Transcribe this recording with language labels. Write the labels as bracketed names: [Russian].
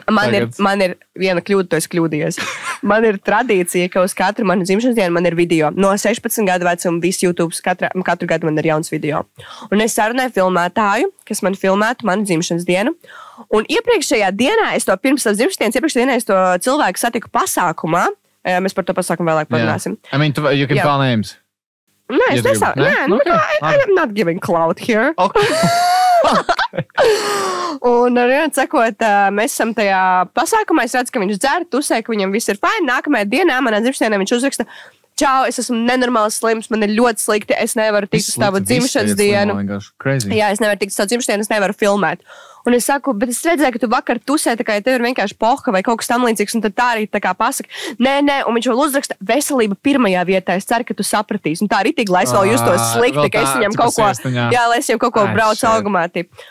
[Latvian] Man ir viena kļūda, tu esi kļūdījies. Man ir tradīcija, ka uz katru manu dzimšanas dienu man ir video. No 16 gadu vecuma visu YouTube katru gadu man ir jauns video. Un es sarunāju filmētāju, kas man filmētu manu dzimšanas dienu. Un iepriekšējā dienā, es to pirms savas dzimšanas dienas, iepriekšējā dienā es to cilvēku satiku pasākumā. Mēs par to pasākumu vēlāk parunāsim. [English] Yeah. I mean, you can call names. [Latvian] Nē, es nesāku. [English] Nē, I'm not giving clout here. [Latvian] Un arī atsakot, mēs esam tajā pasākumā, es redzu, ka viņš dzer, tusē, ka viņam viss ir faini. Nākamajā dienā manā dzimšanā viņš uzraksta, čau, es esmu nenormāls slims, man ir ļoti slikti, es nevaru tikt uz tavu dzimšanas dienu. Jā, es nevaru tikt uz tavu dzimšanas dienu, es nevaru filmēt. Un es saku, bet es redzēju, ka tu vakar tusē, tā kā ja tev ir vienkārši poha vai kaut kas tamlīdzīgs, un tad tā arī tā kā pasaka, nē, un viņš vēl uzraksta, veselība pirmajā vietā, es ceru, ka tu sapratīsi, un tā ritīgi, lai es vēl justos slikti, ka es viņam kaut ko, jā, lai es viņam kaut ko braucu augumā, tip.